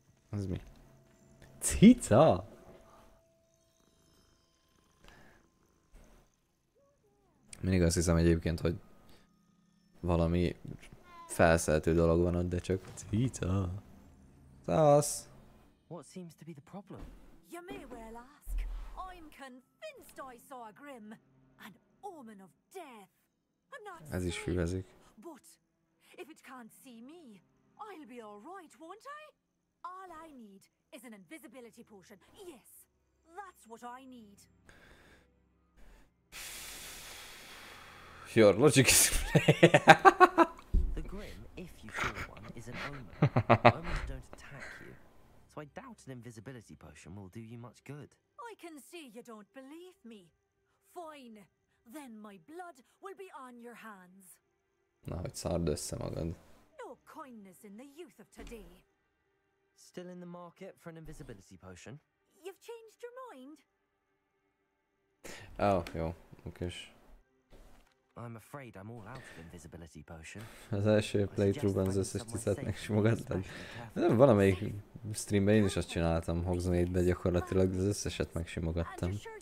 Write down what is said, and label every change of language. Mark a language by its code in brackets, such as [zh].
[hu] Ez mi? Cica! Mindig azt hiszem egyébként, hogy valami felszeltő dolog van ott, de csak cica. Szasz! [en] What seems to be the problem? You may well ask. I'm convinced I saw a Grim. An omen of death. I'm not. [hu] Ez is füvezik. [en] If it can't see me, I'll be all right, won't I? All I need is an invisibility potion. Yes, that's what I need. Your logic is the Grim, if you call one, is an omen. Omens don't attack you. So I doubt an invisibility potion will do you much good. I can see you don't believe me. Fine, then my blood will be on your hands. [hu] Na, hogy szárd össze magad. [en] No kindness in the youth of today. Still in the market for an invisibility potion? You've changed your mind. Oh, [hu] jó, okés. [en] I'm afraid I'm all out of invisibility potion. [hu] Az első playthrough-ban az összes tizet megsimogattad. Nem, valamelyik streamben én is azt csináltam, Hogsmeade-ben gyakorlatilag az összeset megsimogattam.